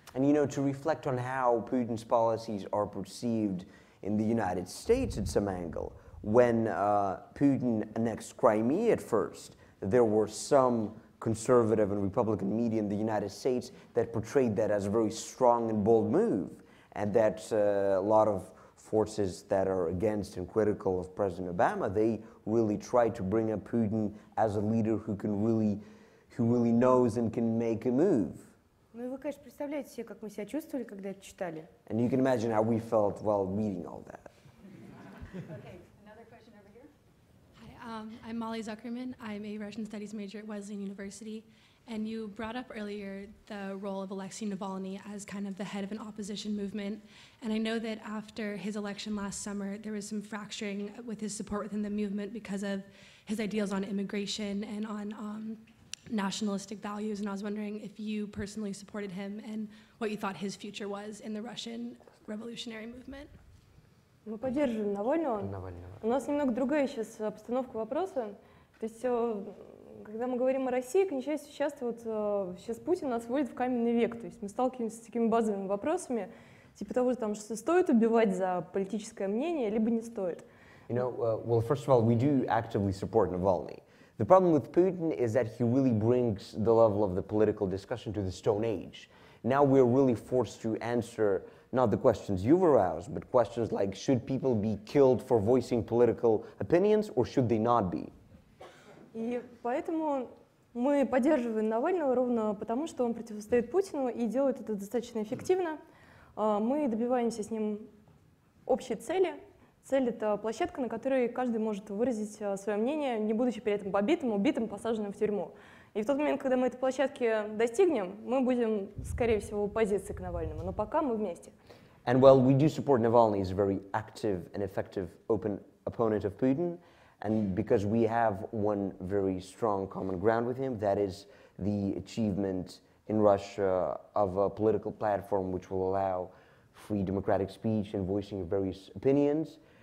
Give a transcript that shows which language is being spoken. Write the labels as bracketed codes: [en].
[en] And you know, to reflect on how Putin's policies are perceived in the United States at some angle, when Putin annexed Crimea at first, there were some conservative and Republican media in the United States that portrayed that as a very strong and bold move, and that a lot of forces that are against and critical of President Obama, they really try to bring up Putin as a leader who really knows and can make a move. [ru] Ну и вы, конечно, представляете себе, как мы себя чувствовали, когда это читали. [en] And you can imagine how we felt while reading all that. Okay, another question over here. Hi, I'm Molly Zuckerman. I'm a Russian studies major at Wesleyan University. And you brought up earlier the role of Alexei Navalny as kind of the head of an opposition movement. And I know that after his election last summer, there was some fracturing with his support within the movement because of his ideals on immigration and on nationalistic values, and I was wondering if you personally supported him and what you thought his future was in the Russian revolutionary movement. [ru] Мы поддерживаем Навального. У нас немного другая сейчас обстановка вопроса. То есть, когда мы говорим о России, к несчастью, часто вот сейчас Путин нас вводит в каменный век. То есть мы сталкиваемся с такими базовыми вопросами, типа того, там, что стоит убивать за политическое мнение, либо не стоит. [en] You know, well, first of all, we do actively support Navalny. The problem with Putin is that he really brings the level of the political discussion to the Stone Age. Now we're really forced to answer not the questions you've aroused, but questions like, should people be killed for voicing political opinions, or should they not be? [ru] И поэтому мы поддерживаем Навального ровно потому, что он противостоит Путину и делает это достаточно эффективно. Мы добиваемся с ним общей цели. Цель — это площадка, на которой каждый может выразить свое мнение, не будучи при этом побитым, убитым, посаженным в тюрьму. И в тот момент, когда мы этой площадки достигнем, мы будем, скорее всего, в оппозиции к Навальному. Но пока мы вместе. [en] And while we do support Navalny, he's a very active and effective open opponent of Putin, and because we have one very strong common ground with him, that is the achievement in Russia of a political platform which will allow free democratic speech and voicing of various opinions.